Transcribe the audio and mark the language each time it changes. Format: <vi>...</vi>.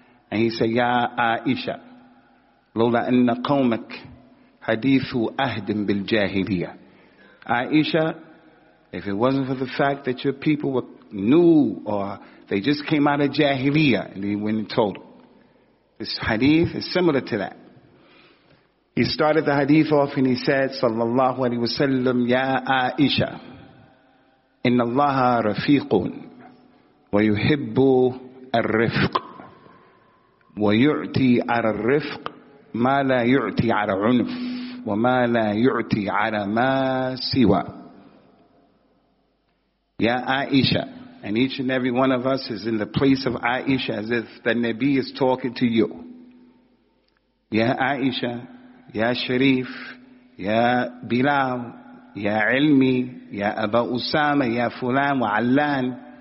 <en>And he said, Ya Aisha,</en> <ar>لولا أن قومك حديث أهد بالجاهلية.</ar> <en>Aisha, if it wasn't for the fact that your people were new or they just came out of Jahiliyyah, and he went and told them. This hadith is similar to that. He started the hadith off and he said,</en> <ar>صلى الله عليه وسلم, يا عائشة, إن الله رفيق ويحب الرفق ويعطي على الرفق ما لا يعطي على عنف وما لا يعطي على ما سوى. يا عائشة,</ar> <en>and each and every one of us is in the place of Aisha as if the Nabi is talking to you.</en> <ar>يا عائشة, يا شريف, يا بلال, يا علمي, يا أبا أسامة, يا فلان وعلان.</ar>